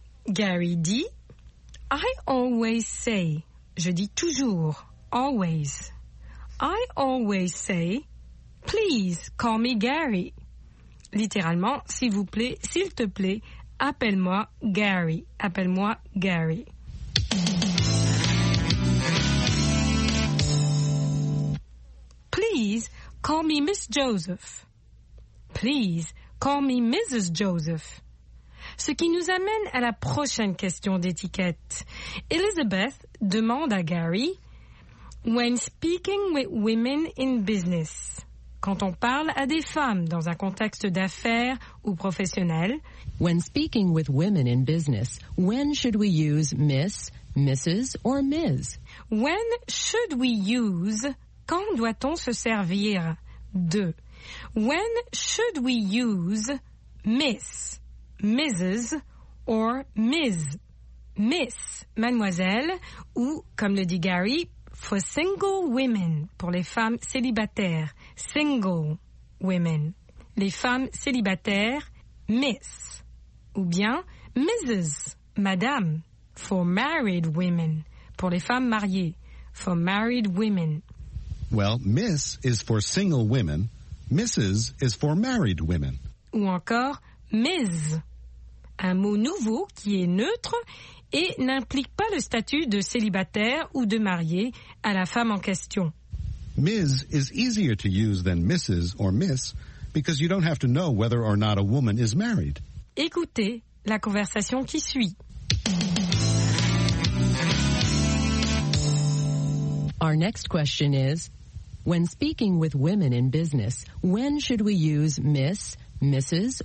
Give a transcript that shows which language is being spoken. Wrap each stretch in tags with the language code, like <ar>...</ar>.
<en>Gary D. I always say,</en> <fr>je dis toujours,</fr> <en>always. I always say, please call me Gary.</en> <fr>Littéralement, s'il vous plaît, s'il te plaît, appelle-moi Gary. Appelle-moi Gary.</fr> <en>Please call me Miss Joseph. Please call me Mrs. Joseph.</en> <fr>Ce qui nous amène à la prochaine question d'étiquette. Elizabeth demande à Gary,</fr> <en>When speaking with women in business,</en> <fr>quand on parle à des femmes dans un contexte d'affaires ou professionnel,</fr> <en>When speaking with women in business, when should we use Miss, Mrs. or Ms? When should we use,</en> <fr>quand doit-on se servir de?</fr> <en>When should we use Miss? Mrs. or Ms.</en> <fr>Miss, mademoiselle, ou, comme le dit Gary,</fr> <en>for single women,</en> <fr>pour les femmes célibataires.</fr> <en>Single women.</en> <fr>Les femmes célibataires, Miss. Ou bien, Mrs., madame,</fr> <en>for married women,</en> <fr>pour les femmes mariées.</fr> <en>For married women. Well, Miss is for single women. Mrs. is for married women.</en> <fr>Ou encore, Ms. Un mot nouveau qui est neutre et n'implique pas le statut de célibataire ou de marié à la femme en question.</fr> <en>Ms. is easier to use than Mrs. or Miss because you don't have to know whether or not a woman is married.</en> <fr>Écoutez la conversation qui suit.</fr> <en>Our next question is, when speaking with women in business, when should we use Miss, Mrs.</en>